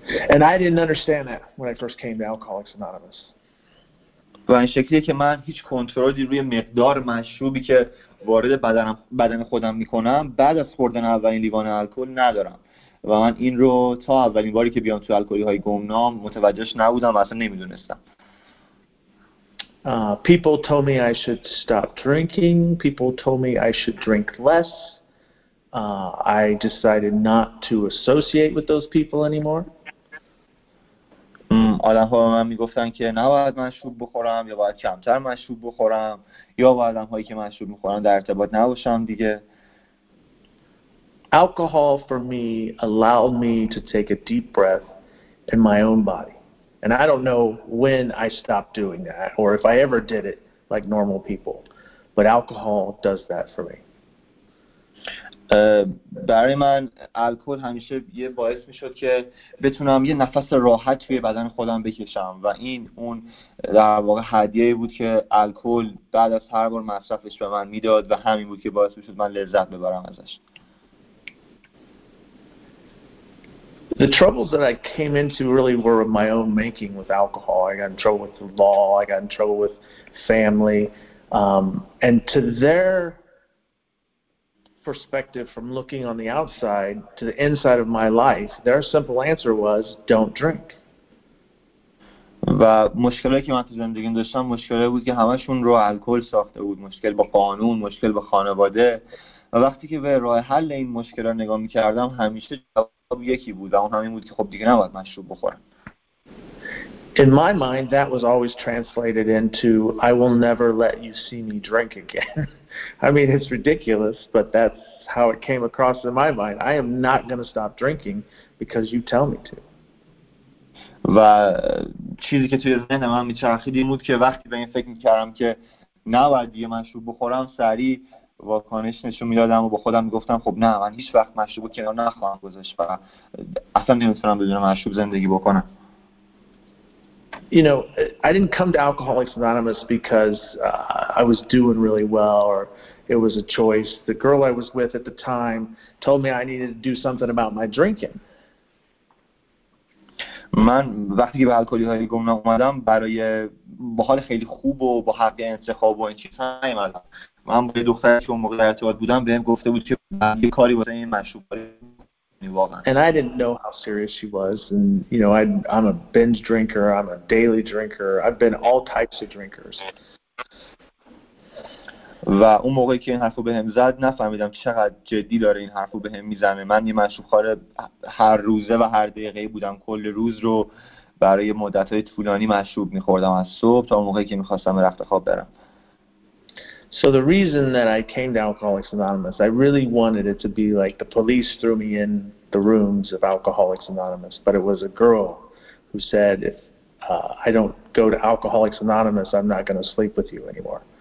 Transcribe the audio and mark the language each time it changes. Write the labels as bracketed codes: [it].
[en] And I didn't understand that when I first came to Alcoholics Anonymous. [fa] و این شکلیه که من هیچ کنترلی روی مقدار مشروبی که وارد بدن خودم میکنم بعد از خوردن اولین لیوان الکل ندارم و من این رو تا اولین باری که بیام تو الکلی های گمنام متوجهش نبودم و اصلا نمیدونستم. [en] People told me I should stop drinking. People told me I should drink less. I decided not to associate with those people anymore. [fa] آدم ها به من میگفتن که نباید مشروب بخورم یا باید کمتر مشروب بخورم یا با آدم هایی که مشروب میخورن در ارتباط نباشم دیگه. [en] Alcohol for me allowed me to take a deep breath in my own body. And I don't know when I stopped doing that or if I ever did it like normal people. But alcohol does that for me. [fa] برای من الکل همیشه یه باعث میشد که بتونم یه نفس راحت توی بدن خودم بکشم و این اون در واقع هدیه‌ای بود که الکل بعد از هر بار مصرفش به من میداد و همین بود که باعث میشد من لذت ببرم ازش. [en] The troubles that I came into really were of my own making with alcohol. I got in trouble with the law. I got in trouble with family. And to their perspective, from looking on the outside to the inside of my life, their simple answer was, don't drink. [fa] و مشکلی که من تو زندگیم داشتم مشکلی بود که همشون رو الکل ساخته بود، مشکل با قانون، مشکل با خانواده. و وقتی که به راه حل این مشکل را نگاه میکردم، همیشه جواب یکی بود و اون همین بود که خب دیگه نباید مشروب بخورم. [en] In my mind that was always translated into I will never let you see me drink again. I mean it's ridiculous, but that's how it came across in my mind. I am not going to stop drinking because you tell me to. [fa] و چیزی که توی ذهن من میچرخید این بود که وقتی به این فکر میکردم که نباید دیگه مشروب بخورم، سریع واکنش نشون میدادم و با خودم میگفتم خب نه، من هیچ وقت مشروب رو کنار نخواهم گذاشت و اصلا نمیتونم بدون مشروب زندگی بکنم. [en] You know, I didn't come to Alcoholics Anonymous because I was doing really well or it was a choice. The girl I was with at the time told me I needed to do something about my drinking. [fa] من وقتی به الکلی‌های گمنام اومدم برای با حال خیلی خوب و با حق انتخاب و این چیزا نیومدم. من با یه دختری که اون موقع در ارتباط بودم بهم گفته بود که یه کاری واسه این مشروب کنی واقعا. [en] And I didn't know how serious she was and you know I'm a binge drinker, I'm a daily drinker. I've been all types of drinkers. [fa] و اون موقعی که این حرفو بهم زد نفهمیدم چقدر جدی داره این حرفو بهم میزنه. من یه مشروب‌خوار هر روزه و هر دقیقه بودم، کل روز رو برای مدت‌های طولانی مشروب می‌خوردم از صبح تا موقعی که می‌خواستم رخت خواب برم. [en] So the reason that I came to Alcoholics Anonymous, I really wanted it to be like the police threw me in the rooms of Alcoholics Anonymous, but it was a girl who said if I don't go to Alcoholics Anonymous, I'm not going to sleep with you anymore.